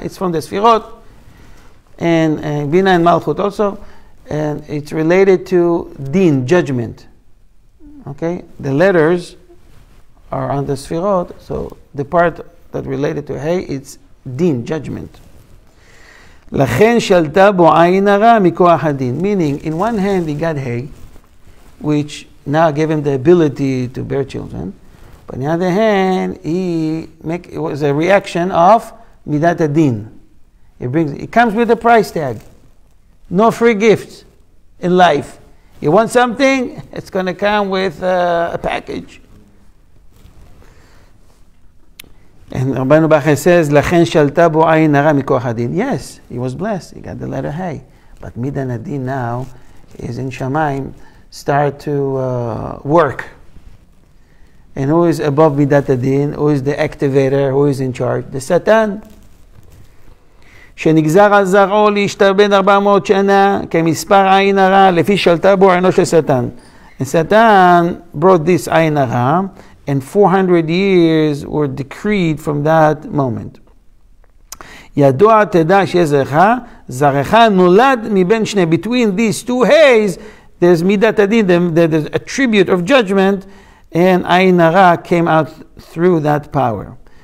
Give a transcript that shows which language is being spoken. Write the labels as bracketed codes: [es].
[en] It's from the sfirot and bina and malchut also, and it's related to din, judgment. Okay, the letters are on the sfirot, so the part that related to hey, it's din, judgment. [he] לכן שלטה בו עין הרע מכוח הדין. [en] Meaning, in one hand, he got hay, which now gave him the ability to bear children. But on the other hand, it was a reaction of midat hadin. It comes with a price tag. No free gifts in life. You want something, it's going to come with a package. And Rabbeinu Bachai says, [he] "Lachen shalta bo ayin hara mikoach hadin." [en] Yes, he was blessed. He got the letter hay. But midat hadin now is in Shamayim, start to work. And who is above midat hadin? Who is the activator? Who is in charge? The Satan. [he] שנגזר על זרעו להשתרבן 400 שנה, כמספר עין הרע, לפי שלטה בו עינו של שטן. [en] And Satan brought this עין הרע, and 400 years were decreed from that moment. [he] ידוע תדע שזרך, זרעך נולד מבין שני, [en] between these two hays, there's midat hadin, there's a tribute of judgment, and עין הרע came out through that power.